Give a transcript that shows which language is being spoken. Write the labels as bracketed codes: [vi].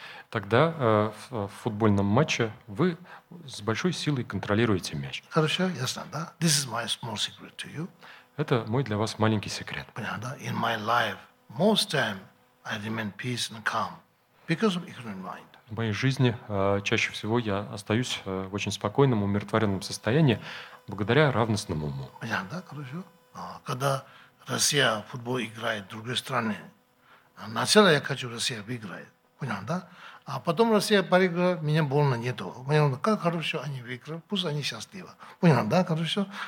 [ru] Тогда в футбольном матче вы с большой силой контролируете мяч. Хорошо, ясно, да? [en] This is my small secret to you. [ru] Это мой для вас маленький секрет. Понятно, да? [en] In my life, most time I remain peace and calm because of ignorant mind. [ru] В моей жизни чаще всего я остаюсь в очень спокойном, умиротворенном состоянии благодаря равностному уму. Понятно, да? Хорошо. Когда Россия в футбол играет в другой стране, сначала я хочу, Россия выиграет. Понял, да? А потом Россия проиграла, меня больно нету. Понял, как хорошо они выиграли, пусть они счастливы. Понял, да, хорошо?